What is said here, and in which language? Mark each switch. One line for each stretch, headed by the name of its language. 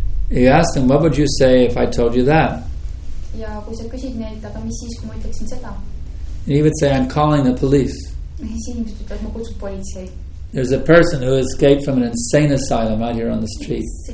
English: You ask him, what would you say if I told you that?
Estonian: Ja kui sa küsid neilt, aga mis siis, kui ma ütleksin seda?
English: And he would say, I'm calling the police. There's a person who escaped from an insane asylum out here on the street.